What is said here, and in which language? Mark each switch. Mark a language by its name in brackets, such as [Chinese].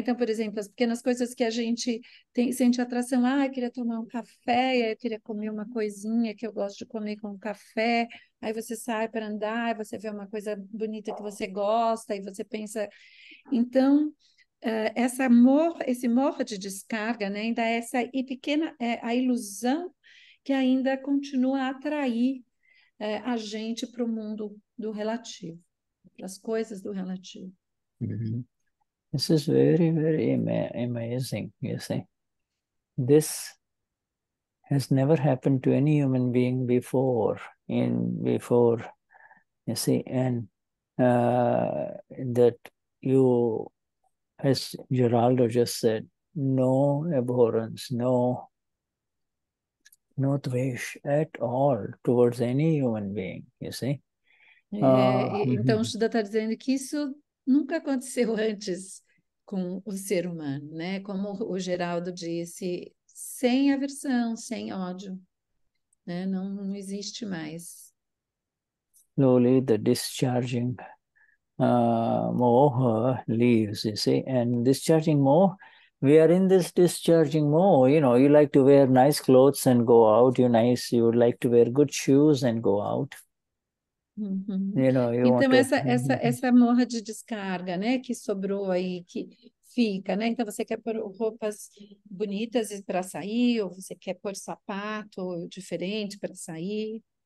[Portuguese] Então, por exemplo, as pequenas coisas que a gente sente atração, ah, eu queria tomar um café, eu queria comer uma coisinha que eu gosto de comer com café, aí você sai para andar, você vê uma coisa bonita que você gosta, e você pensa, então, esse amor de descarga, né? Ainda essa e pequena, a ilusão que ainda continua a atrair a gente para o mundo do relativo. As coisas do relativo. [English] Mm-hmm. This is very, very amazing, you see. This has never happened to any human being before, you see, and that you, as Geraldo just said, no abhorrence, no dvesh at all towards any human being, you see. [Portuguese] Então, o Shuddha está dizendo que isso nunca aconteceu antes com o ser humano, né? Como o Geraldo disse, sem aversão, sem ódio, né? Não, não existe mais. [English] Slowly, the discharging moha leaves, you see, and discharging moha, we are in this discharging moha, you know, you like to wear nice clothes and go out, you would like to wear good shoes and go out. Uhum. You know, [Portuguese] então, essa morra de descarga, né, que sobrou aí, que fica, né? Então, você quer pôr roupas bonitas para sair, ou você quer pôr sapato diferente para sair.